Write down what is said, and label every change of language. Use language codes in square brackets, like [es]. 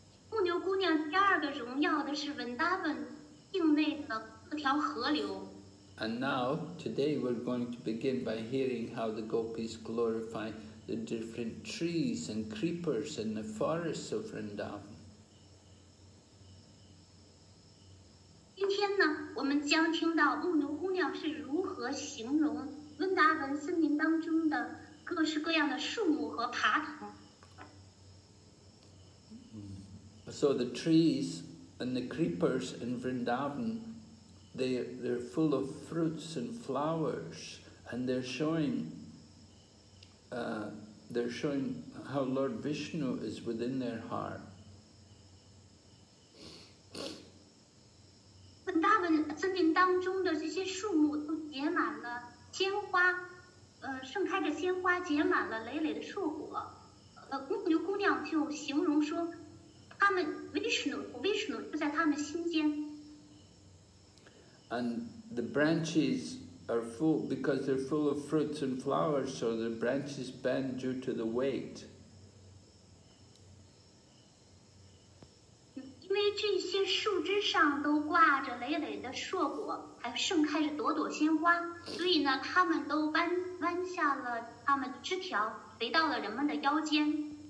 [zh] 牧牛姑娘第二个荣耀的是 Vrindavan 境内的各条河流。 [en] And now today we're going to begin by hearing how the gopis glorify the different trees and creepers in the forests of Vrindavan. [zh] 今天呢，我们将听到牧牛姑娘是如何形容温达文森林当中的各式各样的树木和爬藤。 [en] So the trees and the creepers in Vrindavan, they're full of fruits and flowers, and they're showing how Lord Vishnu is within their heart. [zh] 森林当中的这些树木都结满了鲜花，盛开着鲜花，结满了累累的树果。牧牛姑娘就形容说，他们 Vishnu 就在他们心间。 [en] And the branches are full because they're full of fruits and flowers, so the branches bend due to the weight. [zh] 因为这些树枝上都挂着累累的硕果，还盛开着朵朵鲜花，所以呢，它们都弯下了它们的枝条，垂到了人们的腰间。